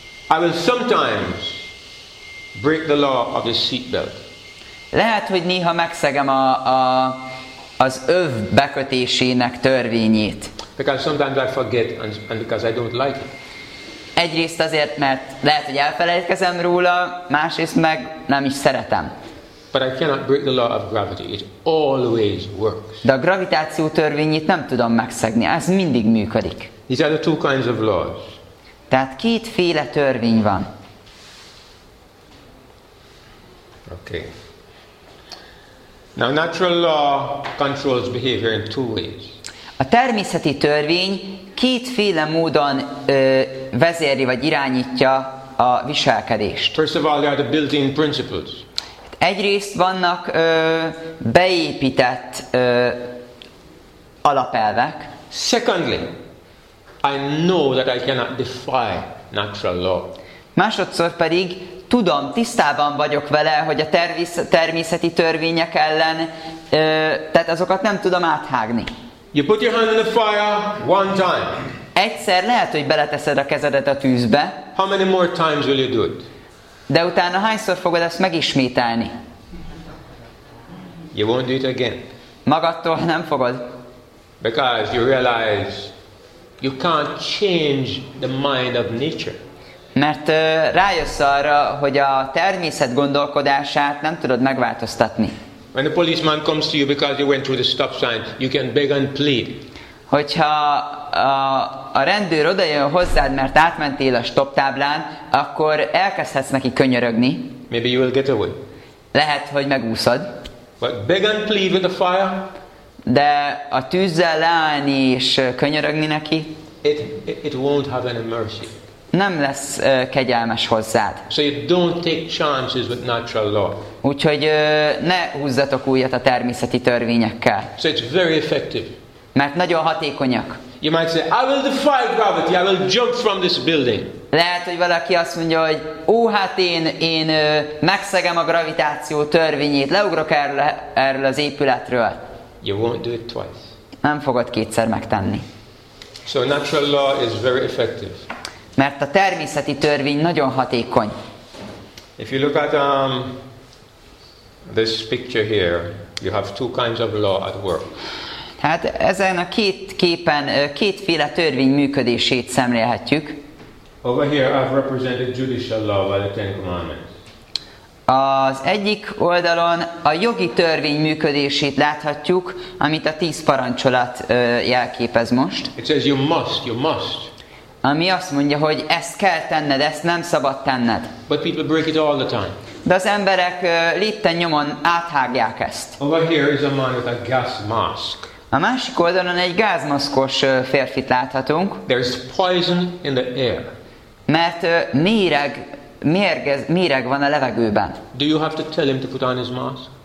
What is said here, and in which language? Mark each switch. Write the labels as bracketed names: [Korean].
[English] I will sometimes break the law of the seat belt. [Hungarian] Lehet, hogy néha megszegem az öv bekötésének törvényét. [English] Because sometimes I forget and because I don't like it. [Hungarian] Egyrészt azért, mert lehet, hogy elfelejtkezem róla, másrészt meg nem is szeretem. [English] But I cannot break the law of gravity. It always works. [Hungarian] De a gravitáció törvényét nem tudom megszegni. Ez mindig működik. [English] These are the two kinds of laws. [Hungarian] Tehát kétféle törvény van. [English] Okay. Now natural law controls behavior in two ways. [Hungarian] A természeti törvény kétféle módon vezéri vagy irányítja a viselkedést. [English] First of all, there are the built-in principles. [Hungarian] Egyrészt vannak beépített alapelvek. [English] Secondly, I know that I cannot defy natural law. [Hungarian] Másodszor pedig tudom, tisztában vagyok vele, hogy a természeti törvények ellen, tehát azokat nem tudom áthágni. [English] You put your hand in the fire one time. [Hungarian] Egyszer lehet, hogy beleteszed a kezedet a tűzbe. [English] How many more times will you do it? [Hungarian] De utána hányszor fogod ezt megismételni? [English] You won't do it again. [Hungarian] Magadtól nem fogod. [English] Because you realize you can't change the mind of nature. [Hungarian] Mert rájössz arra, hogy a természet gondolkodását nem tudod megváltoztatni. [English] When a policeman comes to you because you went through the stop sign, you can beg and plead. [Hungarian] Hogyha a rendőr odajön hozzád, mert átmentél a stop táblán, akkor elkezdhetsz neki könyörögni. [English] Maybe you will get away. [Hungarian] Lehet, hogy megúszod. [English] But beg and plead with the fire. [Hungarian] De a tűzzel leállni és könyörögni neki. [English] It won't have any mercy. [Hungarian] Nem lesz kegyelmes hozzád. [English] So you don't take chances with natural law. [Hungarian] Úgyhogy ne húzzatok újat a természeti törvényekkel. [English] So it's very effective. [Hungarian] Mert nagyon hatékonyak. [English] You might say, I will defy gravity. I will jump from this building. [Hungarian] Lehet, hogy valaki azt mondja, hogy hát én megszegem a gravitáció törvényét, leugrok erről az épületről. [English] You won't do it twice. [Hungarian] Nem fogod kétszer megtenni. [English] So natural law is very effective. [Hungarian] Mert a természeti törvény nagyon hatékony. [English] If you look at this picture here, you have two kinds of law at work. [Hungarian] Hát ezen a két képen kétféle törvény működését szemlélhetjük. [English] Over here I've represented judicial law by the Ten Commandments. [Hungarian] Az egyik oldalon a jogi törvény működését láthatjuk, amit a 10 parancsolat jelképez most. [English] It says you must. [Hungarian] Ami azt mondja, hogy ezt kell tenned, ezt nem szabad tenned. [English] But people break it all the time. [Hungarian] De az emberek lépten nyomon áthágják ezt. [English] Over here is a man with a gas mask. [Hungarian] A másik oldalon egy gázmaszkos férfit láthatunk. [English] There is poison in the air. [Hungarian] Mert méreg méreg van a levegőben? [English] Do you have to tell him to put on his mask?